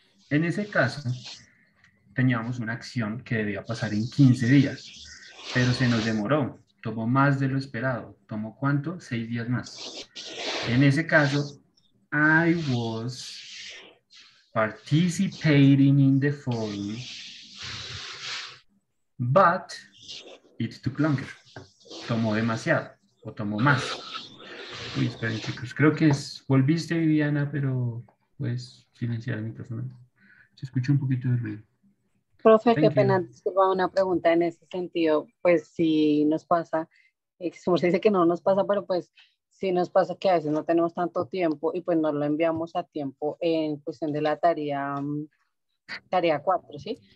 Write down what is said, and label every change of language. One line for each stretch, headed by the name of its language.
Spanish: En ese caso, teníamos una acción que debía pasar en 15 días, pero se nos demoró, tomó más de lo esperado. ¿Tomó cuánto? 6 días más. En ese caso,
English: I was participating in the forum, but it took longer.
Spanish: Tomó demasiado o tomó más. Uy, esperen, chicos. Creo que es, volviste, Viviana, pero puedes silenciar el micrófono. Se escucha un poquito de ruido. Profe, qué pena, disculpa, una pregunta en ese sentido. Pues si nos pasa, como se dice que no nos pasa, pero pues si nos pasa que a veces no tenemos tanto tiempo y pues no lo enviamos a tiempo en cuestión de la tarea 4, ¿sí?